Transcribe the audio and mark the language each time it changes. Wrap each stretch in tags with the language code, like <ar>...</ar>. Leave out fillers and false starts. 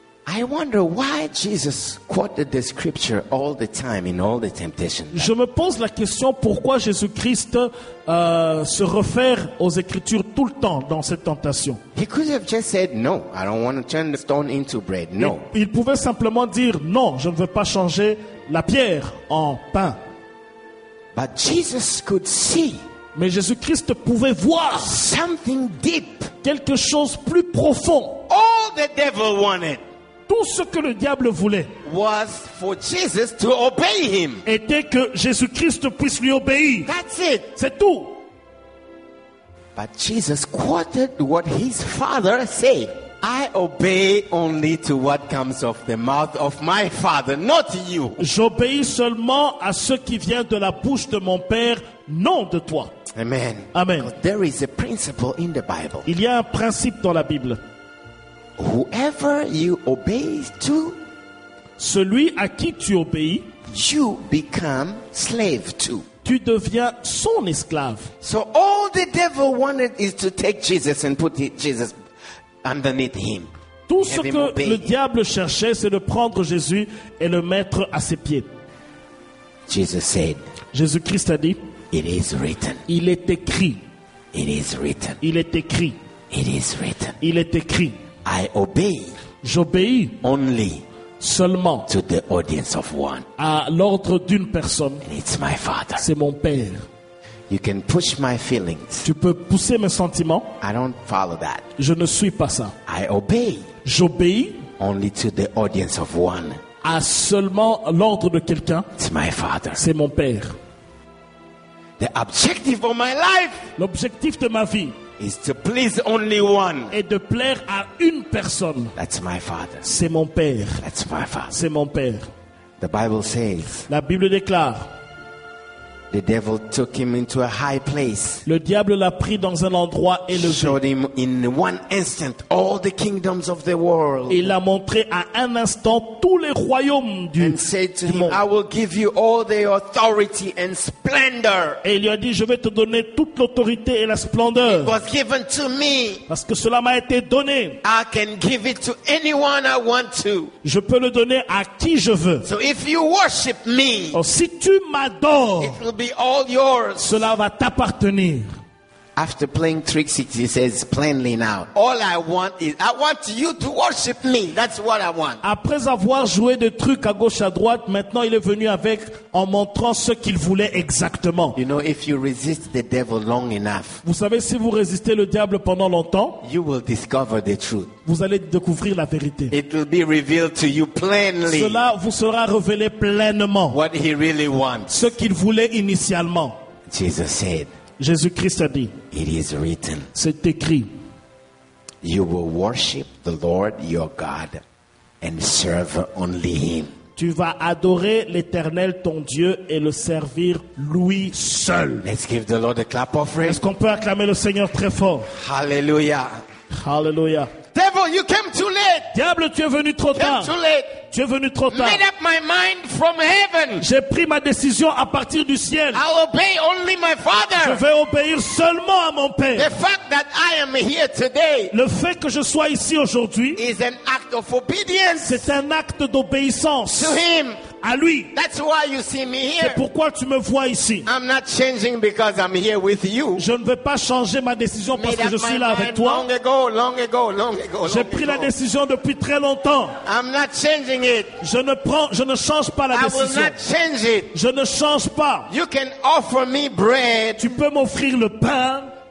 <en>I wonder why Jesus quoted the scripture all the time in all the temptations.</en> <fr>Je me pose la question pourquoi Jésus-Christ se réfère aux Écritures tout le temps dans cette tentation.</fr> <en>He could have just said, "No, I don't want to turn the stone into bread." No.</en> <fr>Il pouvait simplement dire, non, je ne veux pas changer la pierre en pain.</fr> <en>But Jesus could see.</en> <fr>Mais Jésus-Christ pouvait voir</fr> <en>something deep.</en> <fr>Quelque chose plus profond.</fr> <en>All the devil wanted.</en> <fr>Tout ce que le diable voulait</fr> <en>was for Jesus to obey him.</en> <fr>Était que Jésus-Christ puisse lui obéir.</fr> <en>That's it.</en> <fr>C'est tout.</fr> <en>But Jesus quoted what his father said. I obey only to what comes of the mouth of my father, not you.</en> <fr>J'obéis seulement à ce qui vient de la bouche de mon père, non de toi.</fr> <en>Amen.</en> <fr>Amen.</fr> <en>There is a principle in the Bible.</en> <fr>Il y a un principe dans la Bible.</fr> <en>Whoever you obey to,</en> <fr>celui à qui tu obéis,</fr> <en>you become slave to.</en> <fr>Tu deviens son esclave.</fr> <en>So all the devil wanted is to take Jesus and put Jesus underneath him.</en> <fr>Tout ce que le diable cherchait, c'est de prendre Jésus et le mettre à ses pieds.</fr> <en>Jesus said,</en> <fr>Jésus-Christ a dit,</fr> <en>it is written.</en> <fr>Il est écrit.</fr> <en>It is written.</en> <fr>Il est écrit.</fr> <en>It is written.</en> <fr>Il est écrit.</fr> <en>I obey.</en> <fr>J'obéis</fr> <en>only</en> <fr>seulement</fr> <en>to the audience of one.</en> <fr>À l'ordre d'une personne.</fr> <en>And it's my father.</en> <fr>C'est mon père.</fr> <en>You can push my feelings.</en> <fr>Tu peux pousser mes sentiments.</fr> <en>I don't follow that.</en> <fr>Je ne suis pas ça.</fr> <en>I obey.</en> <fr>J'obéis</fr> <en>only to the audience of one.</en> <fr>À seulement l'ordre de quelqu'un.</fr> <en>It's my father.</en> <fr>C'est mon père.</fr> <en>The objective of my life.</en> <fr>L'objectif de ma vie.</fr> <en>Is to please only one.</en> <fr>Et de plaire à une personne.</fr> <en>That's my father.</en> <fr>C'est mon père.</fr> <en>That's my father.</en> <fr>C'est mon père.</fr> <en>The Bible says.</en> <fr>La Bible déclare.</fr> <en>The devil took him into a high place.</en> <fr>Le diable l'a pris dans un endroit élevé.</fr> <en>Showed him in one instant all the kingdoms of the world.</en> <fr>Il l'a montré à un instant tous les royaumes du monde.</fr> <en>And said to him, I will give you all the authority and splendor.</en> <fr>Et il lui a dit, je vais te donner toute l'autorité et la splendeur.</fr> <en>It was given to me.</en> <fr>Parce que cela m'a été donné.</fr> <en>I can give it to anyone I want to.</en> <fr>Je peux le donner à qui je veux.</fr> <en>So if you worship me.</en> <fr>Oh, si tu m'adores.</fr> <en>Will be all yours.</en> <fr>Cela va t'appartenir.</fr> <en>After playing tricks, he says plainly now, all I want is, I want you to worship me. That's what I want.</en> <fr>Après avoir joué des trucs à gauche à droite, maintenant il est venu avec en montrant ce qu'il voulait exactement.</fr> <en>You know, if you resist the devil long enough,</en> <fr>vous savez, si vous résistez le diable pendant longtemps,</fr> <en>you will discover the truth.</en> <fr>Vous allez découvrir la vérité.</fr> <en>It will be revealed to you plainly.</en> <fr>Cela vous sera révélé pleinement.</fr> <en>What he really wants.</en> <fr>Ce qu'il voulait initialement.</fr> <en>Jesus said.</en> <fr>Jésus-Christ a dit,</fr> <en>it is written,</en> <fr>c'est écrit,</fr> <en>you will worship the Lord your God and serve only him.</en> <fr>Tu vas adorer l'Éternel ton Dieu et le servir lui seul.</fr> <en>Let's give the Lord a clap offering.</en> <fr>Est-ce qu'on peut acclamer le Seigneur très fort?</fr> <en>Hallelujah.</en> <fr>Hallelujah.</fr> <en>Devil, you came too late.</en> <fr>Diable, tu es venu trop</fr> <en>came</en> <fr>tard.</fr> <en>Too late.</en> <fr>Tu es venu trop tard.</fr> <en>Made up my mind from heaven.</en> <fr>J'ai pris ma décision à partir du ciel.</fr> <en>I obey only my father.</en> <fr>Je vais obéir seulement à mon père.</fr> <en>The fact that I am here today.</en> <fr>Le fait que je sois ici aujourd'hui.</fr> <en>Is an act of obedience.</en> <fr>C'est un acte d'obéissance.</fr> <en>To him.</en> <fr>À lui.</fr> <en>That's why you see me here.</en> <fr>C'est pourquoi tu me vois ici.</fr> <en>I'm not changing because I'm here with you.</en> <fr>Je ne vais pas changer ma décision parce que je suis là avec toi.</fr> <en>Long ago, long ago, long ago,</en> <fr>j'ai pris</fr> <en>ago.</en> <fr>La décision depuis très longtemps.</fr> <en>I'm not changing it.</en> <fr>Je ne change pas la</fr> <en>I</en> <fr>décision.</fr> <en>Will not change it.</en> <fr>Je ne change pas.</fr> <en>You can offer me bread.</en> <fr>Tu peux m'offrir le pain.</fr>